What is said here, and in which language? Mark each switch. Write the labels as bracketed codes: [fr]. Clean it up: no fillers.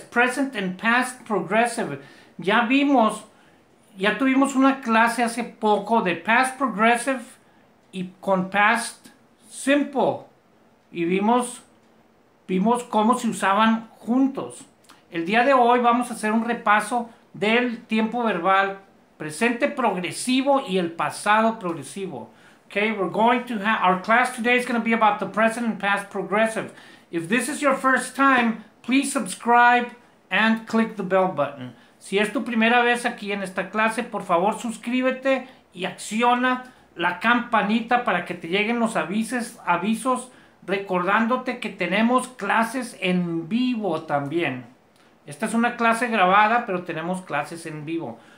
[en] Present and past progressive. [es] Ya tuvimos una clase hace poco de past progressive y con past simple. Y vimos cómo se usaban juntos. El día de hoy vamos a hacer un repaso del tiempo verbal presente progresivo y el pasado progresivo. [en] Okay, we're going to have our class today is going to be about the present and past progressive. If this is your first time, please subscribe and click the bell button. [es] Si es tu primera vez aquí en esta clase, por favor suscríbete y acciona la campanita para que te lleguen los avisos. Recordándote que tenemos clases en vivo también. Esta es una clase grabada, pero tenemos clases en vivo.